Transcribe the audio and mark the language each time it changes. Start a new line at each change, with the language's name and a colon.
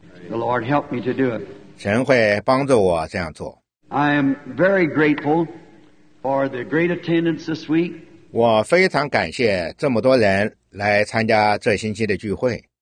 English: The Lord help me to do it.
Chinese: 神会帮助我这样做。
English: I am very grateful for the great attendance this week.
Chinese: 我非常感谢这么多人来参加这星期的聚会。